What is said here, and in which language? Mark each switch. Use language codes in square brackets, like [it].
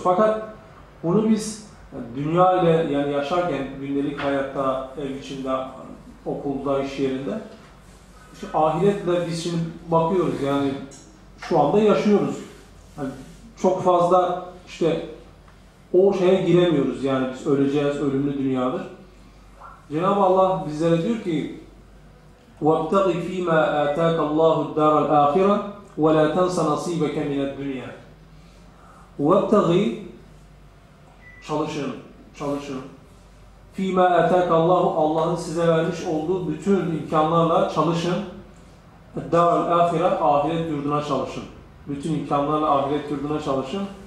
[tr] Fakat bunu biz dünya ile yani yaşarken gündelik hayatta, ev içinde, okulda, iş yerinde işte ahiretle biz şimdi bakıyoruz yani şu anda yaşıyoruz. Yani çok fazla işte o şeye giremiyoruz yani biz öleceğiz, ölümlü dünyadır. Cenab-ı Allah bizlere diyor ki [ar] وابتغ فيما آتاك الله الدار الآخرة ولا تنس نصيبك من الدنيا. وابتغي [tr] çalışın, çalışın. [ar] فيما آتاك الله, [tr] Allah'ın size vermiş olduğu bütün imkanlarla çalışın. [ar] الدار الآخرة, [tr] ahiret yurduna çalışın. Bütün imkanlarla ahiret yurduna çalışın.